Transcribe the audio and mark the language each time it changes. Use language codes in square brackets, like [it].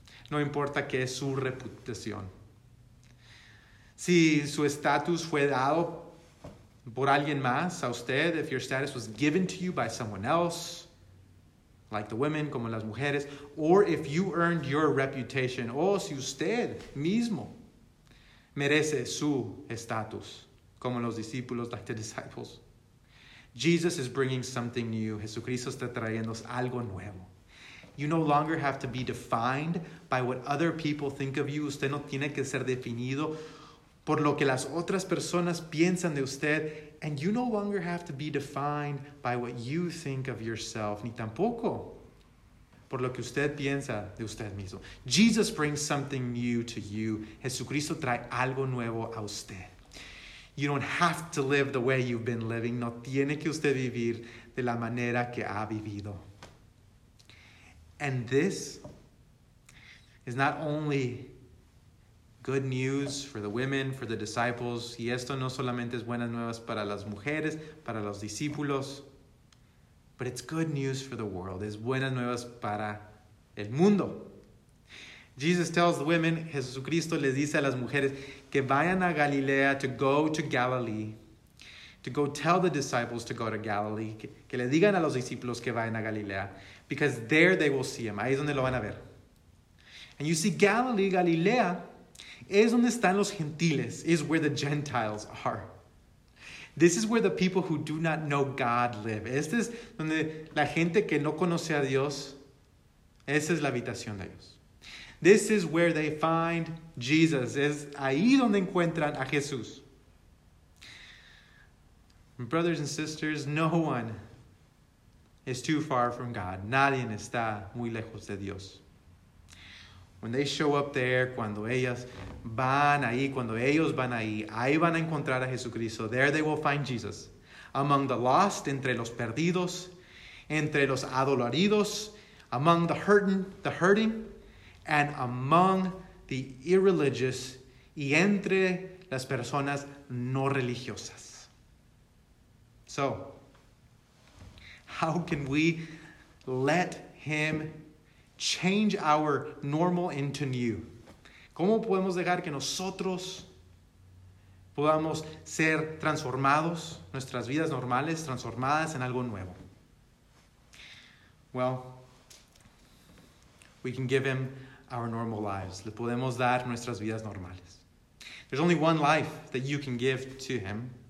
[es] No importa qué es su reputación. Si su estatus fue dado por alguien más a usted, [en] if your status was given to you by someone else, like the women, [es] como las mujeres, [en] or if you earned your reputation, [es] o si usted mismo merece su estatus, como los discípulos, [en] like the disciples. Jesus is bringing something new. [es] Jesucristo está trayendo algo nuevo. [en] You no longer have to be defined by what other people think of you. [es] Usted no tiene que ser definido por lo que las otras personas piensan de usted. [en] And you no longer have to be defined by what you think of yourself. [es] Ni tampoco por lo que usted piensa de usted mismo. [en] Jesus brings something new to you. [es] Jesucristo trae algo nuevo a usted. [en] You don't have to live the way you've been living. [es] No tiene que usted vivir de la manera que ha vivido. [en] And this is not only good news for the women, for the disciples. [es] Y esto no solamente es buenas nuevas para las mujeres, para los discípulos. [en] But it's good news for the world. [es] Es buenas nuevas para el mundo. [en] Jesus tells the women, [es] Jesucristo les dice a las mujeres, que vayan a Galilea, [en] to go to Galilee. To go tell the disciples to go to Galilee. [es] Que le digan a los discípulos que vayan a Galilea. [en] Because there they will see him. [es] Ahí es donde lo van a ver. [en] And you see, Galilee, Galilea, [es] es donde están los gentiles, [en] is where the Gentiles are. This is where the people who do not know God live. [es] Este es donde la gente que no conoce a Dios, esa es la habitación de ellos. [en] This is where they find Jesus. [es] Es ahí donde encuentran a Jesús. [en] Brothers and sisters, no one is too far from God. [es] Nadie está muy lejos de Dios. [en] When they show up there, [es] cuando ellas van ahí, cuando ellos van ahí, ahí van a encontrar a Jesucristo. [en] There they will find Jesus. Among the lost, [es] entre los perdidos, entre los adoloridos, [en] among the hurting, and among the irreligious, [es] y entre las personas no religiosas. [en] So, how can we let him change our normal into new? [es] ¿Cómo podemos dejar que nosotros podamos ser transformados, nuestras vidas normales transformadas en algo nuevo? [en] Well, we can give him our normal lives. Le podemos dar nuestras vidas normales. There's only one life that you can give to him.